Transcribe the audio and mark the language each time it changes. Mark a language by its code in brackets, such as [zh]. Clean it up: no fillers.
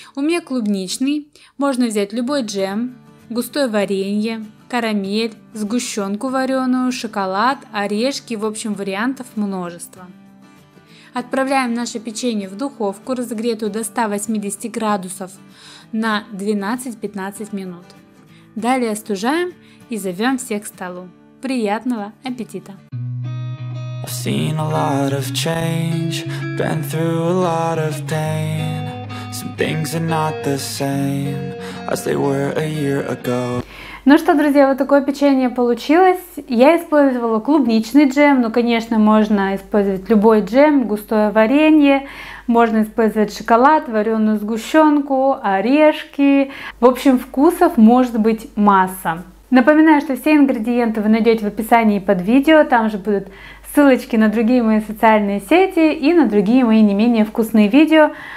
[ru] У меня клубничный, можно взять любой джем, густое варенье, карамель, сгущенку вареную, шоколад, орешки, в общем, вариантов множество. Отправляем наше печенье в духовку, разогретую до 180 градусов, на 12-15 минут. Далее остужаем и зовем всех к столу. Приятного аппетита! [en] I've seen a lot of change, been through a lot of pain. Some things are not the same as they were a year ago. [ru] Ну что, друзья, вот такое печенье получилось. Я использовала клубничный джем, но, конечно, можно использовать любой джем, густое варенье, можно использовать шоколад, вареную сгущенку, орешки. В общем, вкусов может быть масса. Напоминаю, что все ингредиенты вы найдете в описании под видео, там же будут ссылочки на другие мои социальные сети и на другие мои не менее вкусные видео.